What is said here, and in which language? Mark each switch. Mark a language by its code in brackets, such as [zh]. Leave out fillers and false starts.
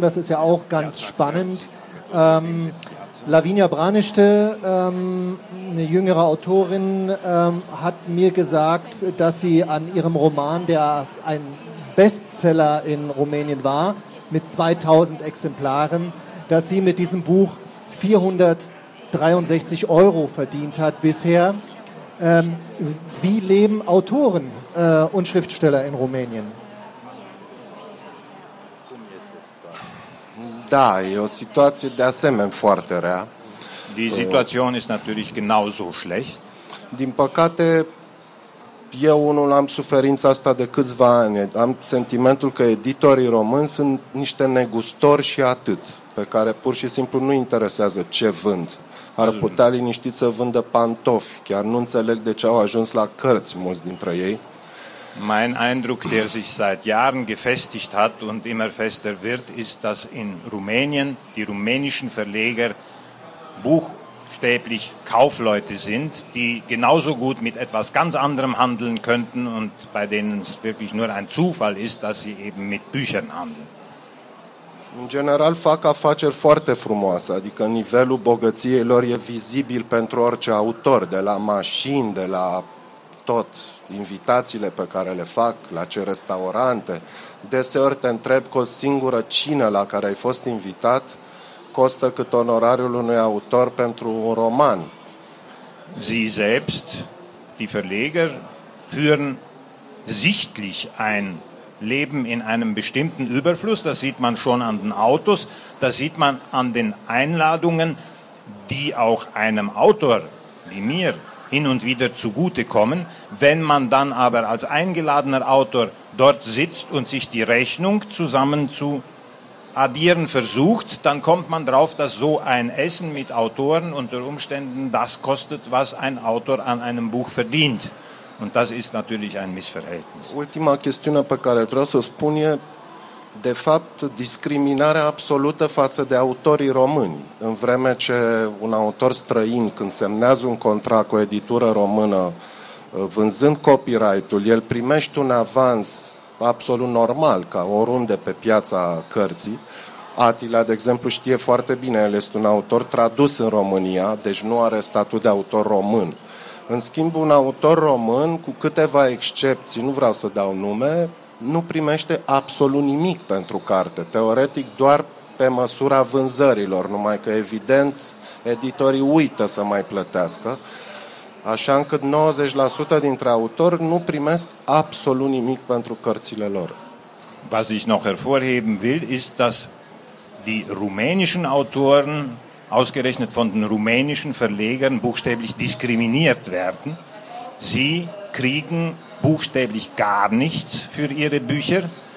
[de] Das ist ja auch ganz spannend. Lavinia Branischte, eine jüngere Autorin, hat mir gesagt, dass sie an ihrem Roman, der ein Bestseller in Rumänien war, mit 2000 Exemplaren, dass sie mit diesem Buch 463 Euro verdient hat bisher. Wie leben Autoren und Schriftsteller in Rumänien? [ro] Da, e o situație de asemenea foarte rea. [de] Die Situation ist natürlich genauso schlecht. [ro] Din păcate, eu unul am suferința asta de câțiva ani. Am sentimentul că editorii români sunt niște negustori și atât, pe care pur și simplu nu interesează ce vând. Ar putea liniștit să vândă pantofi, chiar nu înțeleg de ce au ajuns la cărți mulți dintre ei. [de] Mein Eindruck, der sich seit Jahren gefestigt hat und immer fester wird, ist, dass in Rumänien die rumänischen Verleger buchstäblich Kaufleute sind, die genauso gut mit etwas ganz anderem handeln könnten und bei denen es wirklich nur ein Zufall ist, dass sie eben mit Büchern handeln. [ro] In general fac afaceri foarte frumoase, adică nivelul bogăției lor e vizibil pentru orice autor, de la mașini, de la tot, invitațiile pe care le fac, la ce restaurante. Deseori te întreb că o singură cină la care ai fost invitat costă cât onorariul unui autor pentru un roman. [de] Sie selbst, die Verleger, führen sichtlich ein Leben in einem bestimmten Überfluss. Das sieht man schon an den Autos, das sieht man an den Einladungen, die auch einem Autor wie mir hin und wieder zugute kommen. Wenn man dann aber als eingeladener Autor dort sitzt und sich die Rechnung zusammen zu addieren versucht, dann kommt man drauf, dass so ein Essen mit Autoren unter Umständen das kostet, was ein Autor an einem Buch verdient. Und das ist natürlich ein Missverhältnis. [ro] Ultima chestiune pe care vreau să o spun e, de fapt, discriminarea absolută față de autorii români. În vreme ce un autor străin, când semnează un contract cu o editură română, vânzând copyright-ul, el primește un avans absolut normal, ca oriunde pe piața cărții. Attila, de exemplu, știe foarte bine, el este un autor tradus în România, deci nu are statut de autor român. În schimb, un autor român, cu câteva excepții, nu vreau să dau nume, nu primește absolut nimic pentru carte. Teoretic, doar pe măsura vânzărilor, numai că, evident, editorii uită să mai plătească. Așa încât 90% dintre autori nu primesc absolut nimic pentru cărțile lor. [de] was ich noch hervorheben will, ist, dass die rumänischen Autoren ausgerechnet von den rumänischen Verlegern buchstäblich diskriminiert werden. Sie kriegen buchstäblich gar nichts für ihre Bücher.